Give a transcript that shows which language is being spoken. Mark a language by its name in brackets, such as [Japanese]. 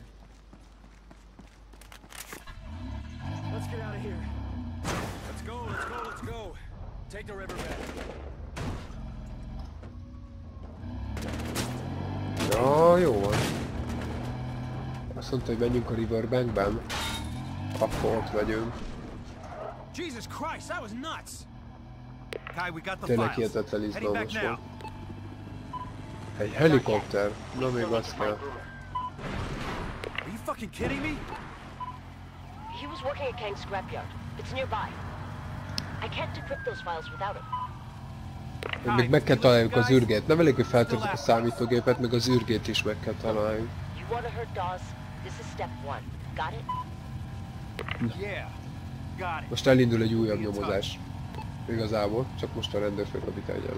[English] Let's get out of here. Let's go. Take the river back. [Hungarian] Ja, jó van. Azt mondta, hogy menjünk a riverbankben. Akkor ott vagyunk. [English] Jesus Christ, that was nuts! Kai, we got the files. [Hungarian] Hihetetlen izgalmas volt. Egy helikopter. Na még az kell. [English] Are you fucking kidding me? He was working at Kang's scrapyard. It's nearby. I can't decrypt those files without him. [Hungarian] Én még meg kell találjuk az űrgét. Nem elég, hogy feltörtük a számítógépet, meg az űrgét is meg kell találjuk. [English] You wanna hurt Dawes? This is step one. Got it? Yeah. Got it. [Hungarian] Most elindul egy újabb nyomozás. Igazából. Csak most a rendőrfőkapitány ellen.